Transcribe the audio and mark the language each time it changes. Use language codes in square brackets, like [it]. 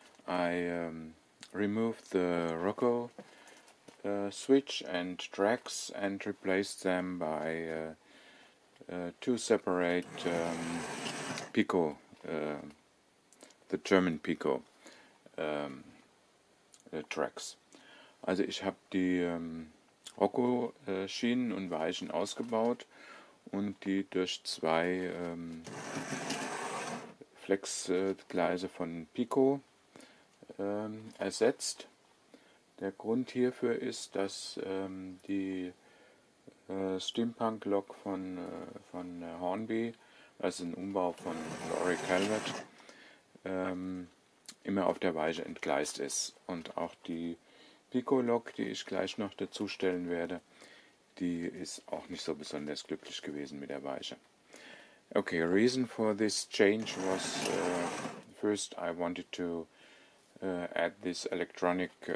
[en] And I removed the Rocco switch and tracks and replaced them by two separate Pico, the German Pico tracks. [de] Also ich habe die Rocco-Schienen und Weichen ausgebaut und die durch zwei Flexgleise von Pico ersetzt. Der Grund hierfür ist, dass die Steampunk-Lok von Hornby, also ein Umbau von Rory Calvert, immer auf der Weiche entgleist ist. Und auch die Pico-Lok, die ich gleich noch dazu stellen werde, die ist auch nicht so besonders glücklich gewesen mit der Weiche. [en] Okay, reason for this change was, first I wanted to add this electronic